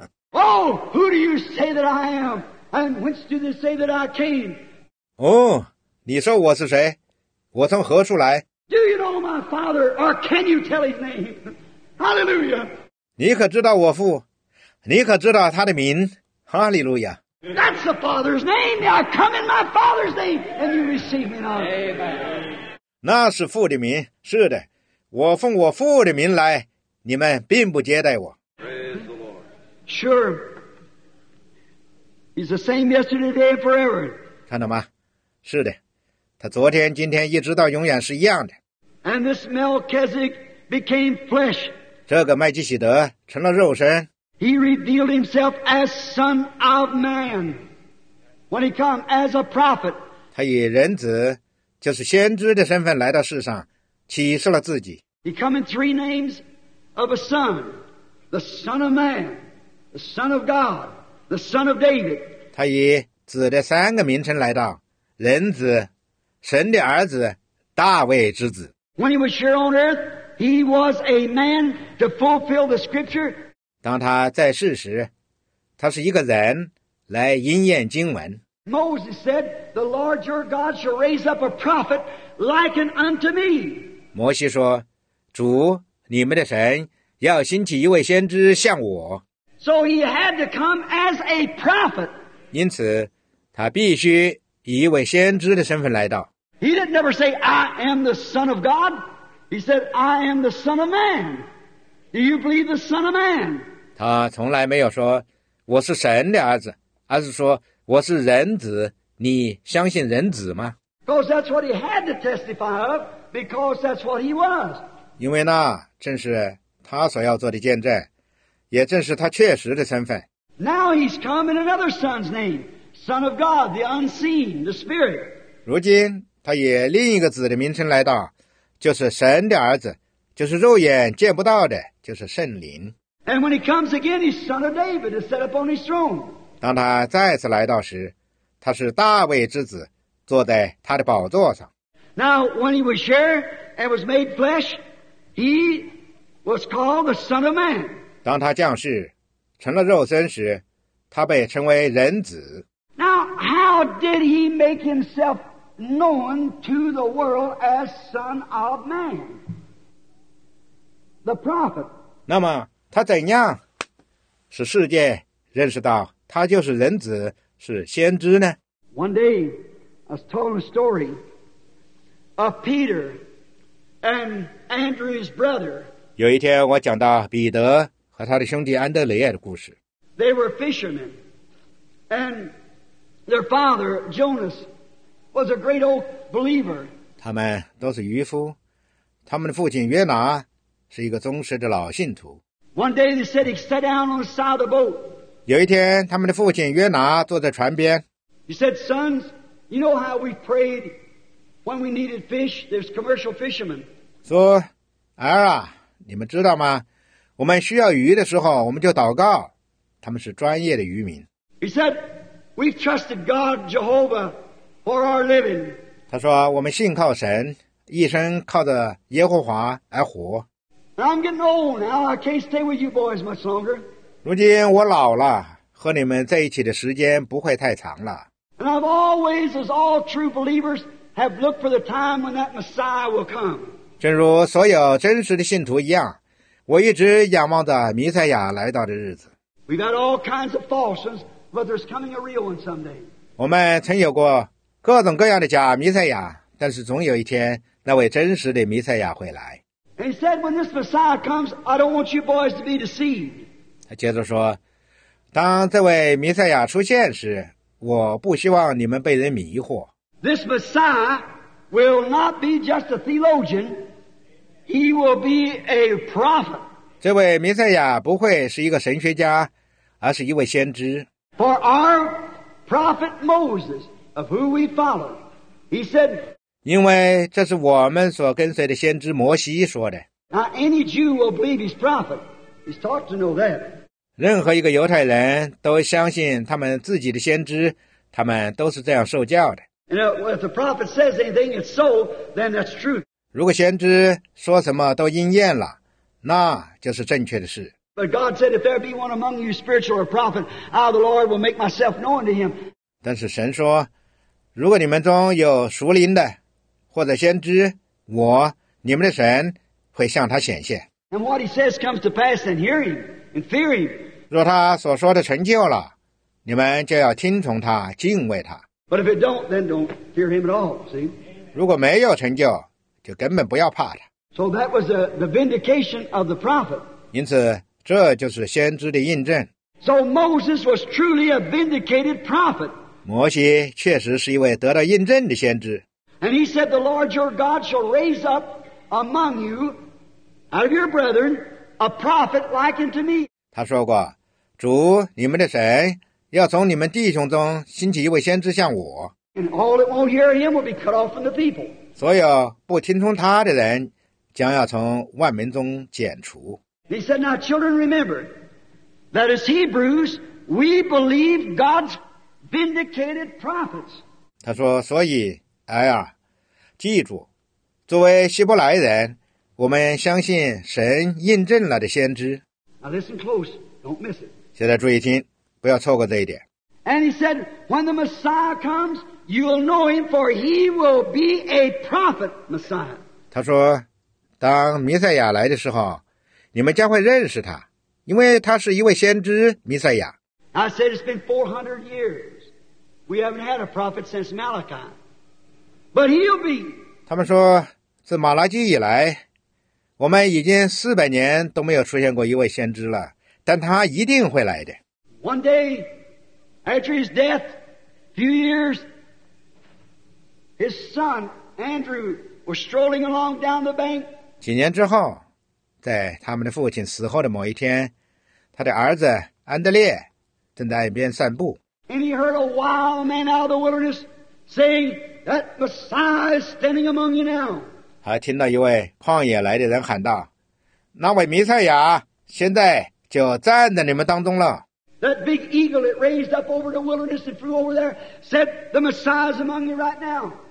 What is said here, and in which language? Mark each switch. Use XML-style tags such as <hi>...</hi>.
<en>Oh, who do you say that I am? And whence do they say that I came?</en> <zh>哦，你说我是谁？我从何处来？</zh> <en>Do you know my father, or can you tell his name? Hallelujah!</en> <zh>你可知道我父？你可知道他的名？哈利路亚！</zh> <en>That's the Father's name. I come in my Father's name, and you receive me now. Amen.</en> <zh>那是父的名，是的。我奉我父的名来，你们并不接待我。</zh> <en>Praise the Lord. Sure. He's the same yesterday, today, and forever.</en> <zh>看到吗？是的，他昨天、今天一直到永远是一样的。</zh> <en>And this Melchizedek became flesh.</en> <zh>这个麦基洗德成了肉身。</zh> <en>He revealed himself as Son of Man when he came as a prophet.</en> <zh>他以人子，就是先知的身份来到世上，启示了自己。</zh> <en>He came in three names of a son: the Son of Man, the Son of God, the Son of David.</en> <zh>他以子的三个名称来到：人子、神的儿子、大卫之子。</zh> <en>When he was here on earth, he was a man to fulfill the Scripture.</en> <zh>当他在世时，他是一个人来应验经文。</zh> <en>Moses said, "The Lord your God shall raise up a prophet like unto me."</en> <zh>摩西说，主你们的神要兴起一位先知像我。</zh> <en>So he had to come as a prophet.</en> <zh>因此，他必须以一位先知的身份来到。</zh> <en>He didn't never say, "I am the Son of God." He said, "I am the Son of Man." Do you believe the Son of Man?</en> <zh>他从来没有说我是神的儿子，而是说我是人子。你相信人子吗？</zh> <en>Because that's what he had to testify of. Because that's what he was.</en> <zh>因为那正是他所要做的见证，也正是他确实的身份。</zh> <en>Now he's come in another Son's name, Son of God, the unseen, the Spirit.</en> <zh>如今他以另一个子的名称来到，就是神的儿子。就是肉眼见不到的，就是圣灵。</zh> <en>And when he comes again, he's son of David, is set up on his throne.</en> <zh>当他再次来到时，他是大卫之子，坐在他的宝座上。</zh> <en>Now when he was here and was made flesh, he was called the Son of Man.</en> <zh>当他降世，成了肉身时，他被称为人子。</zh> <en>Now how did he make himself known to the world as Son of Man? The prophet.</en> <zh>那么他怎样使世界认识到他就是人子，是先知呢？</zh> <en>One day, I was told a story of Peter and Andrew's brother.</en> <zh>有一天，我讲到彼得和他的兄弟安德烈的故事。</zh> <en>They were fishermen, and their father Jonas was a great old believer.</en> <zh>他们都是渔夫，他们的父亲约拿。是一个忠实的老信徒。</zh> <en>One day they said he sat down on the side of the boat.</en> <zh>有一天，他们的父亲约拿坐在船边。</zh> <en>He said, "Sons, you know how we prayed when we needed fish. There's commercial fishermen."</en> <zh>说，儿啊，你们知道吗？我们需要鱼的时候，我们就祷告。他们是专业的渔民。</zh> <en>He said, "We've trusted God, Jehovah, for our living."</en> <zh>他说，我们信靠神，一生靠着耶和华而活。</zh> <en>I'm getting old now. I can't stay with you boys much longer.</en> <zh>如今我老了，和你们在一起的时间不会太长了。</zh> <en>And I've always, as all true believers, have looked for the time when that Messiah will come.</en> <zh>正如所有真实的信徒一样，我一直仰望着弥赛亚来到的日子。</zh> <en>We've had all kinds of false ones, but there's coming a real one someday.</en> <zh>我们曾有过各种各样的假弥赛亚，但是总有一天，那位真实的弥赛亚会来。</zh> <en>And he said, "When this Messiah comes, I don't want you boys to be deceived."</en> <zh>他接着说，当这位弥赛亚出现时，我不希望你们被人迷惑。</zh> <en>This Messiah will not be just a theologian; he will be a prophet.</en> <zh>这位弥赛亚不会是一个神学家，而是一位先知。</zh> <en>For our prophet Moses, of who we follow, he said.</en> <zh>因为这是我们所跟随的先知摩西说的。</zh> <en>Now, any Jew will believe his prophet. He's taught to know that.</en> <zh>任何一个犹太人都相信他们自己的先知，他们都是这样受教的。</zh> <en>You know, if the prophet says anything, it's so, then that's true.</en> <zh>如果先知说什么都应验了，那就是正确的事。</zh> <en>But God said, if there be one among you spiritual or prophet, I, the Lord, will make myself known to him.</en> <zh>但是神说，如果你们中有属灵的或者先知，我你们的神会向他显现。</zh> <en>And what he says comes to pass, and hear him and fear him.</en> <zh>若他所说的成就了，你们就要听从他，敬畏他。</zh> <en>But if it don't, then don't fear him at all. See.</en> <zh>如果没有成就，就根本不要怕他。</zh> <en>So that was the vindication of the prophet.</en> <zh>因此，这就是先知的印证。</zh> <en>So Moses was truly a vindicated prophet.</en> <zh>摩西确实是一位得到印证的先知。</zh> <en>And he said, "The Lord your God shall raise up among you, out of your brethren, a prophet like unto me."</en> <zh>他说过，主你们的神要从你们弟兄中兴起一位先知像我。</zh> <en>And all that won't hear him will be cut off from the people.</en> <zh>所有不听从他的人将要从万民中剪除。</zh> <en>He said, "Now, children, remember." That is Hebrews, we believe God's vindicated prophets.</en> <zh>他说，所以，哎呀，记住，作为希伯来人，我们相信神印证了的先知。</zh> <en>Now listen close, don't miss it.</en> <zh>现在注意听，不要错过这一点。</zh> <en>And he said, when the Messiah comes, you will know him, for he will be a prophet Messiah.</en> <zh>他说，当弥赛亚来的时候，你们将会认识他。因为他是一位先知弥赛亚。</zh> <en>I said it's been 400 years. We haven't had a prophet since Malachi. But he'll be.</en> <zh>他们说自马拉基以来我们已经400年都没有出现过一位先知了，但他一定会来的。</zh> <en>One day, after his death, a few years, his son, Andrew, was strolling along down the bank.</en> <zh>几年之后，在他们的父亲死后的某一天，他的儿子安德烈正在岸边散步。</zh> <en>And he heard a wild man out of the wilderness saying, "That Messiah is standing among you now."</en> <zh>他听到一位旷野来的人喊道，那位弥赛亚现在就站在你们当中了。</zh> <en>That big eagle that raised up over the wilderness and flew over there said, "The Messiah is among you right now."</en>